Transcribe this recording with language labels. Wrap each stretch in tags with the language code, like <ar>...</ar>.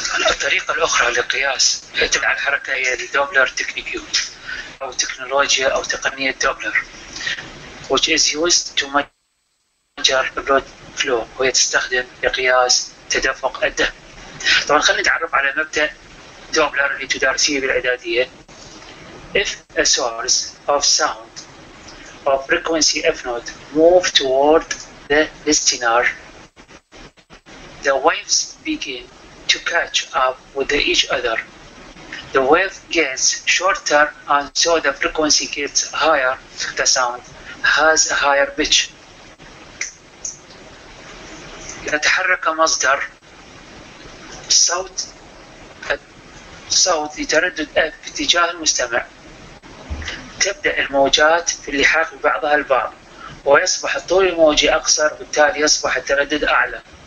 <ar>الطريقة الأخرى لقياس تبع الحركة هي الدوبلر تكنيكيون أو تكنولوجيا أو تقنية دوبلر</ar> <en>which is used to measure blood flow</en> <ar>وهي تستخدم لقياس تدفق الدم. طبعا خلينا نتعرف على مبدأ دوبلر اللي تدارسيه بالإعدادية.</ar> <en>If a source of sound of frequency F naught move toward the listener, the waves begin to catch up with each other. The wave gets shorter and so the frequency gets higher, the sound has a higher pitch.</en> <ar>إذا تحرك مصدر صوت لتردد F في اتجاه المستمع تبدأ الموجات في اللحاق ببعضها البعض ويصبح الطول الموجي أقصر وبالتالي يصبح التردد أعلى.</ar>